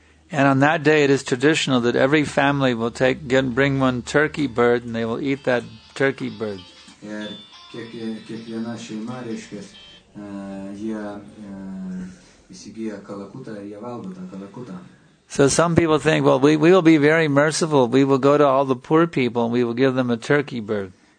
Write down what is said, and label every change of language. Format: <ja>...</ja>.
<en>And on that day it is traditional that every family will take get, bring one turkey bird and they will eat that turkey bird.</en> <lt>Ir kiekviena šeima, reiškia, jie įsigyja kalakutą ir jie valgo tą kalakutą.</lt> <en>So some people think, well, we will be very merciful. We will go to all the poor people and we will give them a turkey bird.</en>